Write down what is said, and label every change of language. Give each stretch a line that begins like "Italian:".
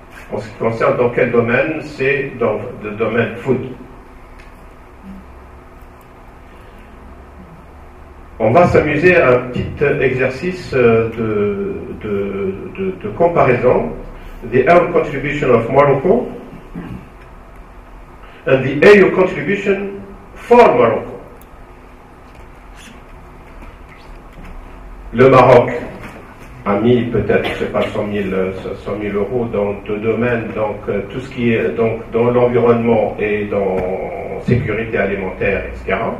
French: En ce qui concerne dans quel domaine, c'est dans le domaine food. On va s'amuser à un petit exercice de comparaison.
English: The AU contribution of Morocco and the AU contribution for Morocco.
French: Le Maroc a mis peut-être, je ne sais pas, 100 000 euros dans deux domaines, donc tout ce qui est donc, dans l'environnement et dans sécurité alimentaire, etc.